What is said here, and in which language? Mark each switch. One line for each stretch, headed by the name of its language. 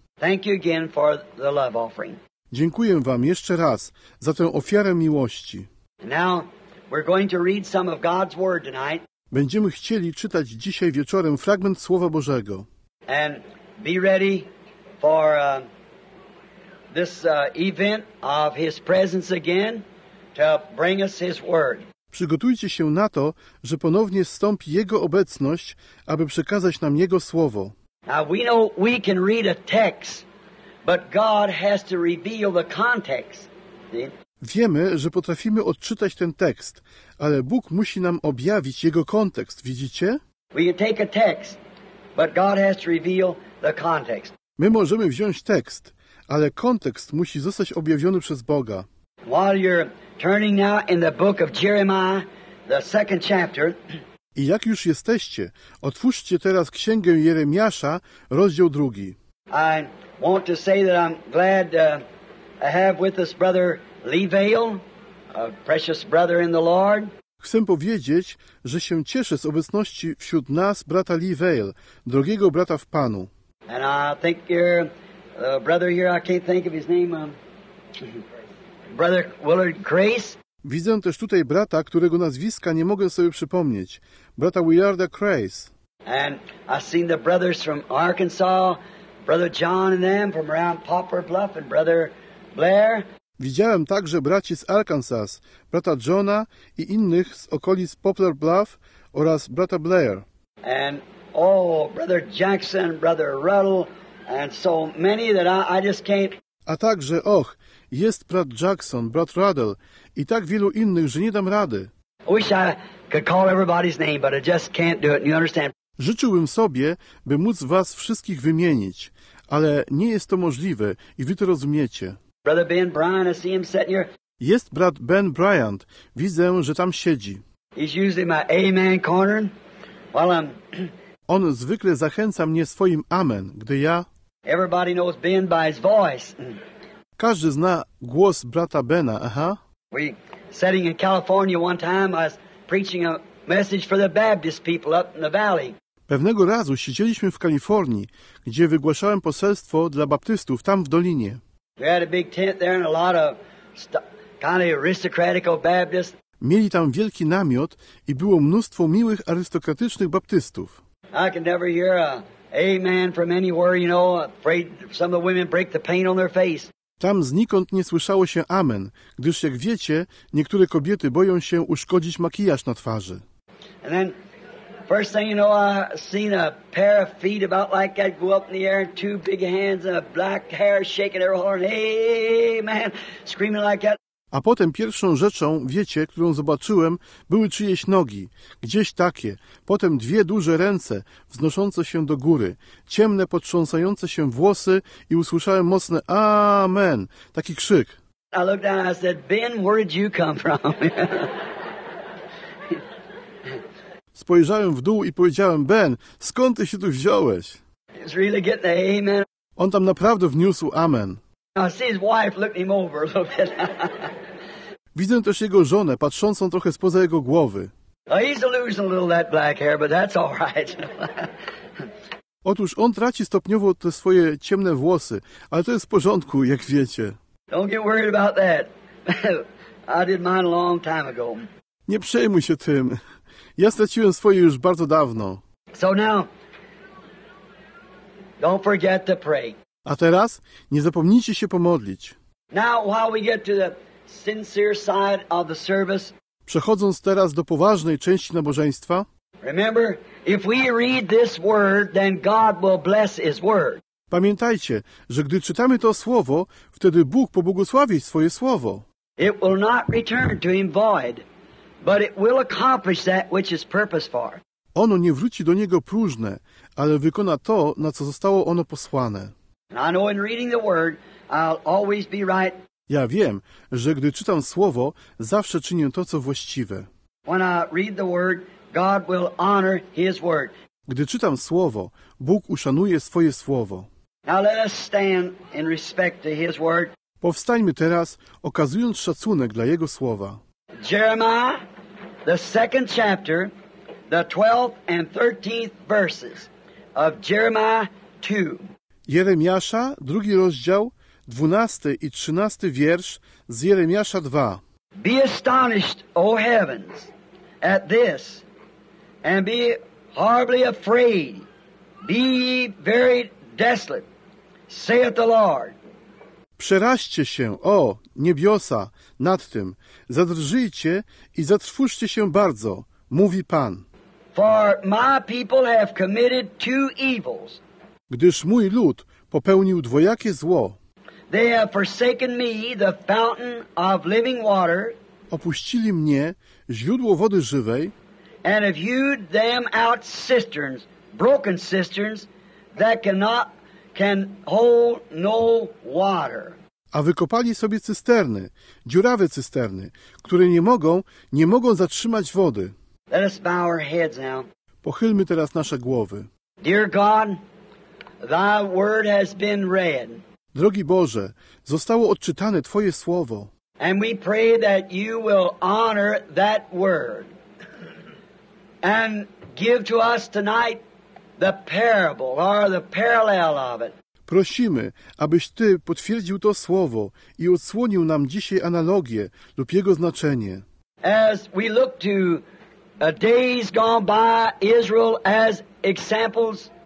English: Thank you again for the love offering.
Polish: Dziękuję Wam jeszcze raz za tę ofiarę miłości.
English: Now we're going to read some of God's word tonight.
Polish: Będziemy chcieli czytać dzisiaj wieczorem fragment Słowa Bożego.
English: And be ready for this event of His presence again to bring us His word.
Polish: Przygotujcie się na to, że ponownie zstąpi Jego obecność, aby przekazać nam Jego Słowo.
English: Now we know we can read a text, but God has to reveal the context.
Polish: Wiemy, że potrafimy odczytać ten tekst, ale Bóg musi nam objawić jego kontekst, widzicie?
English: We can take a text, but God has to reveal the context.
Polish: My możemy wziąć tekst, ale kontekst musi zostać objawiony przez Boga.
English: While you're turning now in the book of Jeremiah, the second chapter.
Polish: I jak już jesteście, otwórzcie teraz Księgę Jeremiasza, rozdział drugi.
English: I want to say that I'm glad I have with us brother Lee Vail, a precious brother in the Lord.
Polish: Chcę powiedzieć, że się cieszę z obecności wśród nas brata Lee Vail, drogiego brata w Panu.
English: And I think your brother here, I can't think of his name, brother Willard Grace.
Polish: Widzę też tutaj brata, którego nazwiska nie mogę sobie przypomnieć. Brata Willarda Grace.
English: And I've seen the brothers from Arkansas, brother John and them from around Poplar Bluff and brother Blair.
Polish: Widziałem także braci z Arkansas, brata Johna i innych z okolic Poplar Bluff oraz brata Blair.
English: And oh, brother Jackson, brother Ruddle, and so many that I just can't.
Polish: A także, och, jest brat Jackson, brat Ruddle i tak wielu innych, że nie dam rady.
English: Wish I could call everybody's name, but I just can't do it. You understand?
Polish: Życzyłbym sobie, by móc was wszystkich wymienić, ale nie jest to możliwe i wy to rozumiecie.
English: Brother Ben Bryant, I see him sitting here.
Polish: Jest brat Ben Bryant. Widzę, że tam siedzi.
English: He's usually my amen corner. While I'm...
Polish: On zwykle zachęca mnie swoim amen, gdy ja...
English: Everybody knows Ben by his voice.
Polish: Każdy zna głos brata Bena, aha.
English: We sitting in California one time, I was preaching a message for the Baptist people up in the valley.
Polish: Pewnego razu siedzieliśmy w Kalifornii, gdzie wygłaszałem poselstwo dla baptystów tam w dolinie.
English: We had a big tent there and a lot of kind of aristocratical Baptists.
Polish: Mieli tam wielki namiot i było mnóstwo miłych arystokratycznych baptystów.
English: I can never hear a amen from anywhere, you know, afraid some of the women break the paint on their face.
Polish: Tam znikąd nie słyszało się amen, gdyż jak wiecie, niektóre kobiety boją się uszkodzić makijaż na twarzy.
English: And then, first thing you know, I seen a pair of feet about like that go up in the air, and two big hands and a black hair shaking their horn, amen, screaming like that.
Polish: A potem pierwszą rzeczą, wiecie, którą zobaczyłem, były czyjeś nogi, gdzieś takie. Potem dwie duże ręce, wznoszące się do góry, ciemne, potrząsające się włosy i usłyszałem mocne amen, taki krzyk.
English: I looked down and I said, Ben, where did you come from?
Polish: Spojrzałem w dół i powiedziałem, Ben, skąd ty się tu wziąłeś?
English: He's really getting the amen.
Polish: On tam naprawdę wniósł amen.
English: I see his wife looking him over a little bit.
Polish: Widzę też jego żonę patrzącą trochę spoza jego głowy.
English: He's losing a little that black hair, but that's all right.
Polish: Otóż on traci stopniowo te swoje ciemne włosy, ale to jest w porządku, jak wiecie.
English: Don't get worried about that. I did mine a long time ago.
Polish: Nie przejmuj się tym. Ja straciłem swoje już bardzo dawno.
English: So now, don't forget to pray.
Polish: A teraz nie zapomnijcie się pomodlić.
English: Now, while we get to the sincere side of the service,
Polish: przechodząc teraz do poważnej części nabożeństwa,
English: remember, if we read this word, then God will bless His word.
Polish: Pamiętajcie, że gdy czytamy to słowo, wtedy Bóg pobłogosławi swoje słowo.
English: It will not return to Him void, but it will accomplish that which is purposed for.
Polish: Ono nie wróci do Niego próżne, ale wykona to, na co zostało ono posłane.
English: And I know in reading the word, I'll always be right.
Polish: Ja wiem, że gdy czytam słowo, zawsze czynię to, co właściwe.
English: When I read the word, God will honor His word.
Polish: Gdy czytam słowo, Bóg uszanuje swoje słowo.
English: Now let us stand in respect to his word.
Polish: Powstańmy teraz, okazując szacunek dla jego słowa.
English: Jeremiah, the second chapter, the 12th and 13th verses of Jeremiah 2.
Polish: Jeremiasza, drugi rozdział, 12 i 13 wiersz z Jeremiasza 2.
English: Be astonished, O heavens, at this, and be horribly afraid. Be ye very desolate, saith the Lord.
Polish: Przeraźcie się, o niebiosa, nad tym. Zadrżyjcie i zatrwóżcie się bardzo, mówi Pan.
English: For my people have committed two evils.
Polish: Gdyż mój lud popełnił dwojakie zło.
English: They have forsaken me, the fountain of living water.
Polish: Opuścili mnie, źródło wody żywej.
English: And have hewed them out cisterns, broken cisterns, that can hold no water.
Polish: A wykopali sobie cysterny, dziurawe cysterny, które nie mogą zatrzymać wody.
English: Let us bow our heads now.
Polish: Pochylmy teraz nasze głowy.
English: Dear God, thy word has been read.
Polish: Drogi Boże, zostało odczytane Twoje słowo.
English: And we pray that you will honor that word and give to us tonight the parable or the parallel of it.
Polish: Prosimy, abyś Ty potwierdził to słowo i odsłonił nam dzisiaj analogię lub jego znaczenie.
English: As we look to days gone by, Israel as examples.